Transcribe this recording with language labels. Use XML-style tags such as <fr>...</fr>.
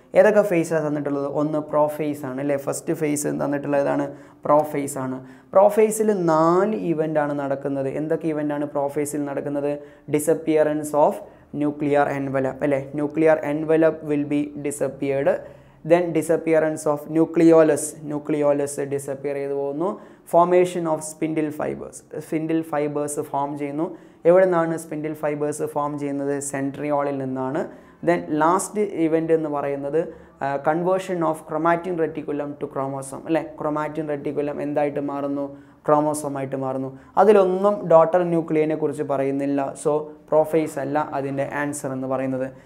<ml>ഏതൊക്കെ ഫേസാണ് തന്നിട്ടുള്ളത്, ഒന്ന് പ്രോഫേസ് ആണ് അല്ലേ. ഫസ്റ്റ് ഫേസ് തന്നിട്ടുള്ളതാണ് പ്രോഫേസ് ആണ്. പ്രോഫേസിൽ നാല് ഇവൻ്റ് ആണ് നടക്കുന്നത്. എന്തൊക്കെ ഇവൻ്റ് ആണ് പ്രോഫേസിൽ നടക്കുന്നത്,</ml> <en>disappearance of nuclear envelope</en> <ml>അല്ലേ.</ml> <en>Nuclear envelope will be disappeared. Then disappearance of nucleolus, nucleolus disappear</en> <ml>ചെയ്തു പോകുന്നു.</ml> <en>Formation of spindle fibers, spindle fibers form</en> <ml>ചെയ്യുന്നു. എവിടെ നിന്നാണ് സ്പിൻഡിൽ ഫൈബേഴ്സ് ഫോം ചെയ്യുന്നത്, സെൻട്രിയോളിൽ നിന്നാണ്.</ml> <en>then last event</en> <ml>എന്ന് പറയുന്നത്</ml> <en>conversion of chromatin reticulum to chromosome</en> <ml>അല്ലേ. ക്രൊമാറ്റിൻ റെറ്റിക്കുലം എന്തായിട്ട് മാറുന്നു, ക്രോമോസോമായിട്ട് മാറുന്നു. അതിലൊന്നും ഡോട്ടർ ന്യൂക്ലിയനെ കുറിച്ച് പറയുന്നില്ല. സോ പ്രോഫേസ് അല്ല അതിൻ്റെ ആൻസർ എന്ന് പറയുന്നത്.</ml>